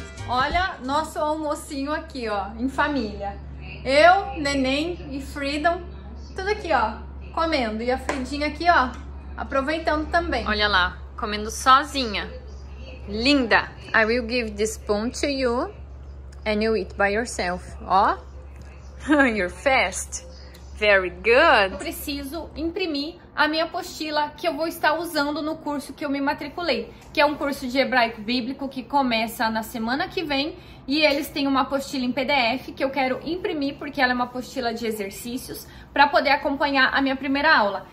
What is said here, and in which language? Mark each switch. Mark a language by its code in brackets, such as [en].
[pt] Olha nosso almocinho aqui, ó, em família. Eu, Neném e Freedom, tudo aqui, ó, comendo. E a Fridinha aqui, ó, aproveitando também. Olha lá, comendo sozinha. Linda! [en] I will give this spoon to you and you eat by yourself. Ó, you're fast. Very good. [pt] Eu preciso imprimir a minha apostila que eu vou estar usando no curso que eu me matriculei, que é um curso de hebraico bíblico que começa na semana que vem, e eles têm uma apostila em PDF que eu quero imprimir porque ela é uma apostila de exercícios para poder acompanhar a minha primeira aula.